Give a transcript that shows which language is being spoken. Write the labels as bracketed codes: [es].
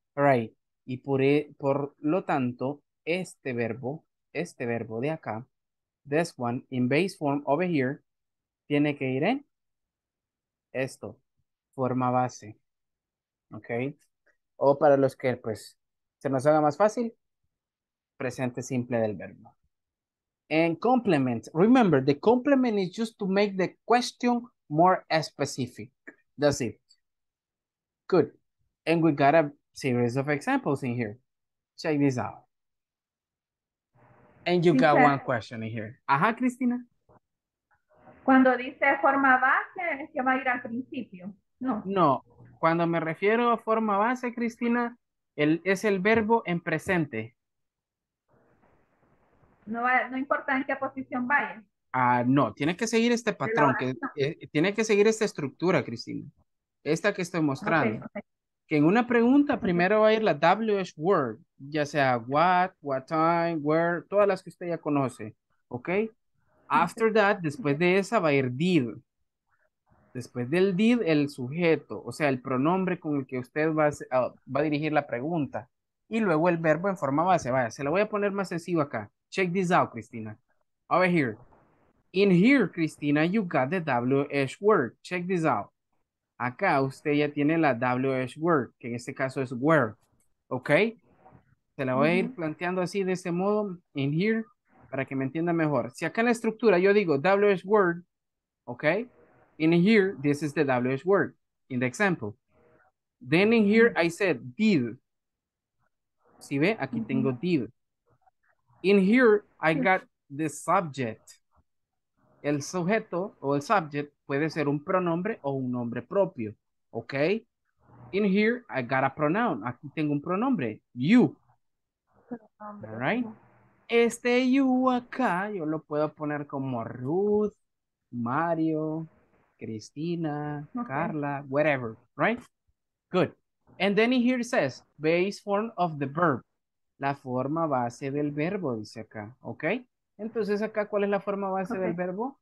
[es] All right. Y por lo tanto, este verbo de acá, this one, in base form over here, tiene que ir en esto, forma base. ¿Ok? O para los que, pues, se nos haga más fácil, presente simple del verbo. [en] And complement. Remember, the complement is just to make the question more specific. That's it. Good. And we got a series of examples in here. Check this out. And you got one question in here. Ajá, Cristina. [es] Cuando dice forma base, es que va a ir al principio. No. No. Cuando me refiero a forma base, Cristina, es el verbo en presente. No importa en qué posición vaya. Ah, no. Tiene que seguir este patrón. Tiene que seguir esta estructura, Cristina. Esta que estoy mostrando. Okay. Que en una pregunta primero va a ir la WH word. Ya sea what time, where, todas las que usted ya conoce. ¿Ok? After that, después de esa va a ir did. Después del did, el sujeto. O sea, el pronombre con el que usted va a dirigir la pregunta. Y luego el verbo en forma base. Vaya, se lo voy a poner más sencillo acá. [en] Check this out, Cristina. Over here. In here, Cristina, you got the WH word. [es] Check this out. Acá usted ya tiene la WH word, que en este caso es where. ¿Ok? Se la voy a ir planteando así, de este modo, in here, para que me entienda mejor. Si acá en la estructura yo digo WH word, ¿ok? [en] In here, this is the WH word, in the example. Then in here, I said did. ¿Sí ve? Aquí tengo did. In here, I got the subject. [es] El sujeto o el subject puede ser un pronombre o un nombre propio. [en] ¿Ok? In here, I got a pronoun. Aquí tengo un pronombre. You. All right? [es] Este you acá, yo lo puedo poner como Ruth, Mario, Cristina, Carla, whatever. Right? Good. [en] And then in here it says, base form of the verb. [es] La forma base del verbo, dice acá. ¿Ok? Entonces, acá, ¿cuál es la forma base del verbo?